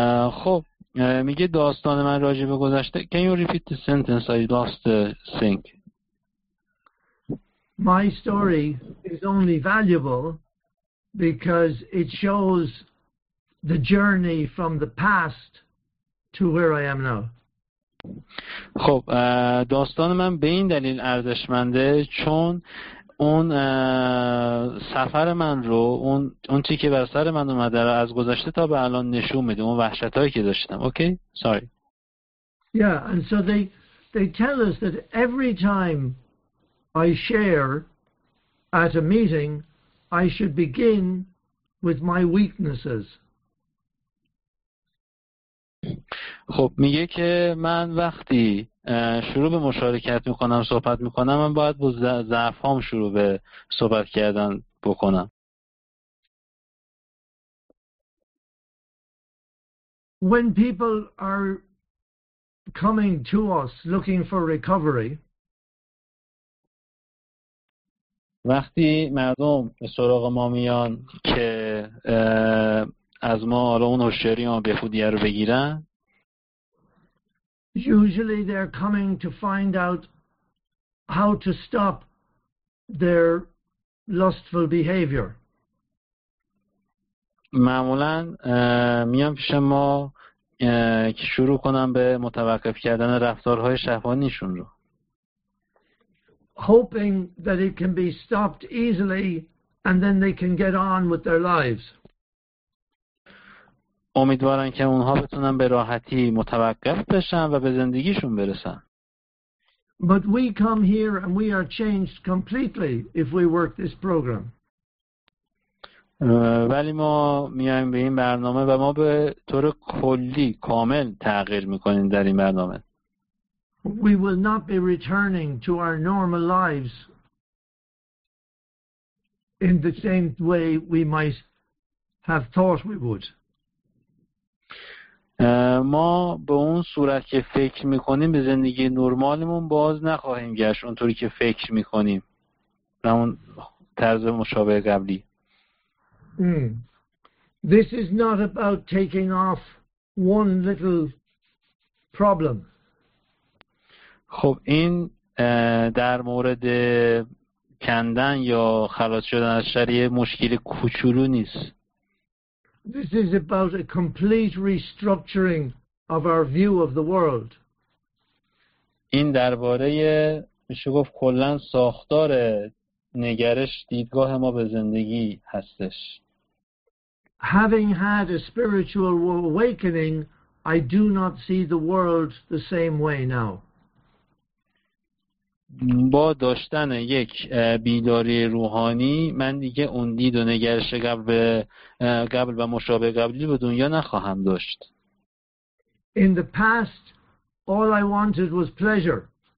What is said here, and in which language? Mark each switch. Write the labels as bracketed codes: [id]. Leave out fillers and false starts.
[fa] خب میگه داستان من راجع به گذشته. [en] Can you repeat the sentence? I lost the sync. My story is only valuable because it shows the journey from the past to where I am now. [fa] خب داستان من به این دلیل ارزشمنده چون اون سفر من رو اون چیزی که بر سر من اومده رو از گذشته تا به الان نشون میده، اون وحشتایی که داشتم. [en] Okay sorry. Yeah, and so they tell us that every time I share at a meeting I should begin with my weaknesses. [fa] خب میگه که من وقتی شروع به مشارکت میکنم صحبت میکنم من باید با ضعف‌هام شروع به صحبت کردن بکنم. [en] When people are coming to us looking for recovery, [fa] وقتی مردم به سراغ ما میان که از ما حالا اون هوشیاری ما به خودی رو بگیرن، [en] usually they're coming to find out how to stop their lustful behavior. [fa] معمولا میان پیش ما که شروع کنم به متوقف کردن رفتارهای شهوانیشون رو. [en] Hoping that it can be stopped easily and then they can get on with their lives. [fa] امیدوارن که اونها بتونن به راحتی متوقف بشن و به زندگیشون برسن. [en] But we come here and we are changed completely if we work this program. [fa] ولی ما میایم به این برنامه و ما به طور کلی کامل تغییر میکنیم در این برنامه. [en] We will not be returning to our normal lives in the same way we might have thought we would. [fa] ما به اون صورت که فکر میکنیم به زندگی نرمالمون باز نخواهیم گشت اونطوری که فکر میکنیم به اون طرز مشابه قبلی. [en] This is not about taking off one little problem. [fa] خب این در مورد کندن یا خلاص شدن از شر یه مشکل کوچولو نیست. [en] This is about a complete restructuring of our view of the world. [fa] این درباره میشه گفت کلاً ساختار نگرش دیدگاه ما به زندگی هستش. [en] Having had a spiritual awakening, I do not see the world the same way now. [fa] با داشتن یک بیداری روحانی من دیگه اون دید و نگرش قبل و مشابه قبلی به دنیا نخواهم داشت. [en] In the past all I wanted was pleasure.